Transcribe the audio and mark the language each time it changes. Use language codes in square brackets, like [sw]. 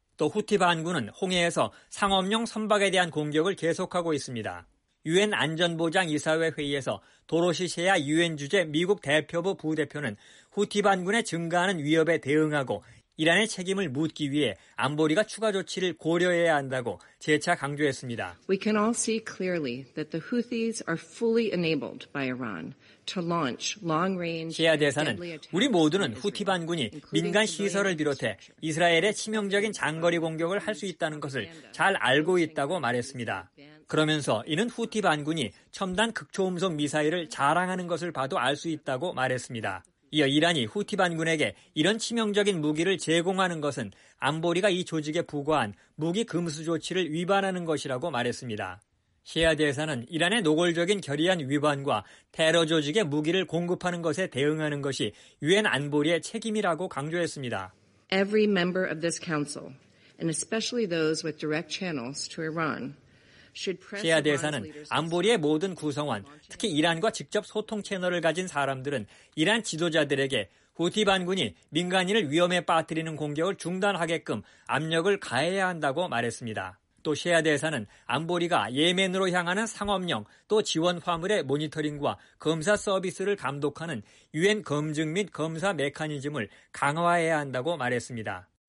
[ko] 또 후티 반군은 홍해에서 상업용 선박에 대한 공격을 계속하고 있습니다. 유엔 안전보장이사회 회의에서 도로시 셰아 유엔 주재 미국 대표부 부대표는 후티 반군의 증가하는 위협에 대응하고 이란의 책임을 묻기 위해 안보리가 추가 조치를 고려해야 한다고 재차 강조했습니다. [en] We can all see clearly that the Houthis are fully enabled by Iran to launch long-range. [ko] 시야 대사는 우리 모두는 후티 반군이 민간 시설을 비롯해 이스라엘의 치명적인 장거리 공격을 할 수 있다는 것을 잘 알고 있다고 말했습니다. 그러면서 이는 후티 반군이 첨단 극초음속 미사일을 자랑하는 것을 봐도 알 수 있다고 말했습니다. 이어 이란이 후티 반군에게 이런 치명적인 무기를 제공하는 것은 안보리가 이 조직에 부과한 무기 금수 조치를 위반하는 것이라고 말했습니다. 시아 대사는 이란의 노골적인 결의안 위반과 테러 조직에 무기를 공급하는 것에 대응하는 것이 유엔 안보리의 책임이라고 강조했습니다. [en] Every member of this council, and especially those with direct channels to Iran, [ko] 시아 대사는 안보리의 모든 구성원, 특히 이란과 직접 소통 채널을 가진 사람들은 이란 지도자들에게 후티 반군이 민간인을 위험에 빠뜨리는 공격을 중단하게끔 압력을 가해야 한다고 말했습니다. 또 시아 대사는 안보리가 예멘으로 향하는 상업용 또 지원 화물의 모니터링과 검사 서비스를 감독하는 유엔 검증 및 검사 메커니즘을 강화해야 한다고 말했습니다.